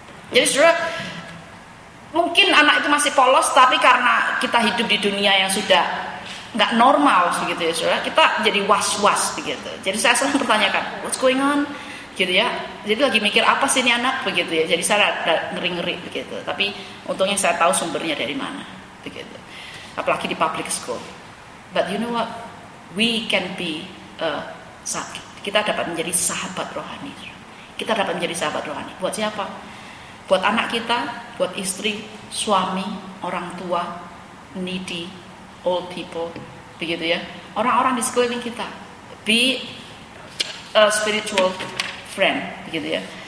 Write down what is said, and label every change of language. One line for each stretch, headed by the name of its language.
Indonesian: Jadi sudah mungkin anak itu masih polos tapi karena kita hidup di dunia yang sudah enggak normal gitu ya sudah. Kita jadi was-was gitu. Jadi saya selalu pertanyakan,
English: what's going on?
Indonesian: Gitu ya, jadi lagi mikir apa sih ini anak begitu ya, jadi saya ngeri-ngeri begitu. Tapi untungnya saya tahu sumbernya dari mana begitu, apalagi di public school.
English: But you know what, we can be
Indonesian: sahabat. Kita dapat menjadi sahabat rohani. Kita dapat menjadi sahabat rohani buat siapa? Buat anak kita, buat istri, suami, orang tua,
English: needy, old people,
Indonesian: begitu ya. Orang-orang di sekeliling kita,
English: be a spiritual friend,
Indonesian: begitu ya.